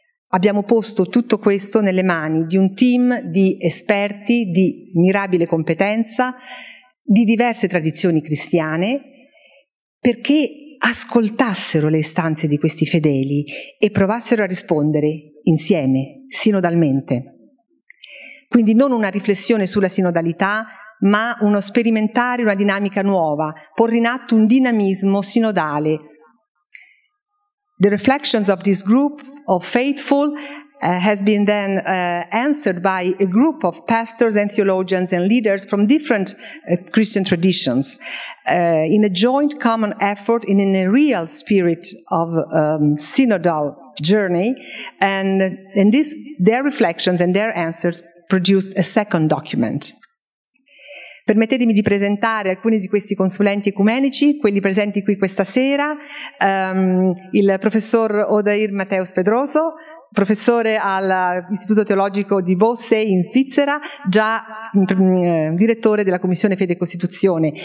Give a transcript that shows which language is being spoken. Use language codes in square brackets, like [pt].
[it] Abbiamo posto tutto questo nelle mani di un team di esperti di mirabile competenza, di diverse tradizioni cristiane, perché ascoltassero le istanze di questi fedeli e provassero a rispondere insieme, sinodalmente. Quindi non una riflessione sulla sinodalità, ma uno sperimentare una dinamica nuova, porre in atto un dinamismo sinodale. [en] The reflections of this group of faithful has been then answered by a group of pastors and theologians and leaders from different Christian traditions in a joint common effort and in a real spirit of synodal journey, and in this their reflections and their answers produced a second document. [it] Permettetemi di presentare alcuni di questi consulenti ecumenici, quelli presenti qui questa sera, il professor Odair Mateus Pedroso, professore all'Istituto Teologico di Bosse in Svizzera, già direttore della Commissione Fede e Costituzione.